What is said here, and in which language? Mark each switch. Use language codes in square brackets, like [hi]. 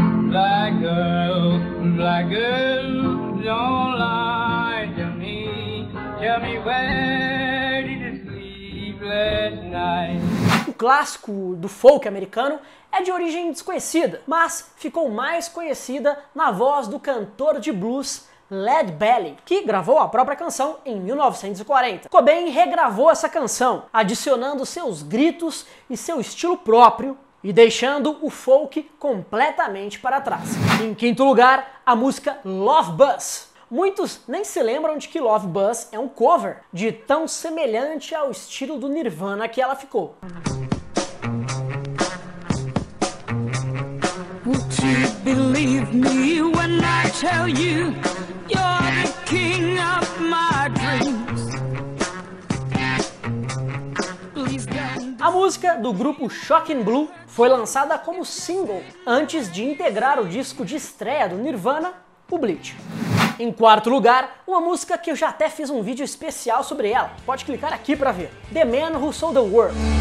[en] Black girl, black girl, don't lie to me. Tell me where did you sleep last night? [pt] O clássico do folk americano é de origem desconhecida, mas ficou mais conhecida na voz do cantor de blues Led Belly, que gravou a própria canção em 1940. Cobain regravou essa canção, adicionando seus gritos e seu estilo próprio e deixando o folk completamente para trás. Em quinto lugar, a música Love Buzz. Muitos nem se lembram de que Love Buzz é um cover de tão semelhante ao estilo do Nirvana que ela ficou. [en] Would you believe me when I tell you you're the king of my dreams? [pt] A música do grupo Shocking Blue foi lançada como single antes de integrar o disco de estreia do Nirvana, o Bleach. Em quarto lugar, uma música que eu já até fiz um vídeo especial sobre ela. Pode clicar aqui pra ver. The Man Who Sold the World.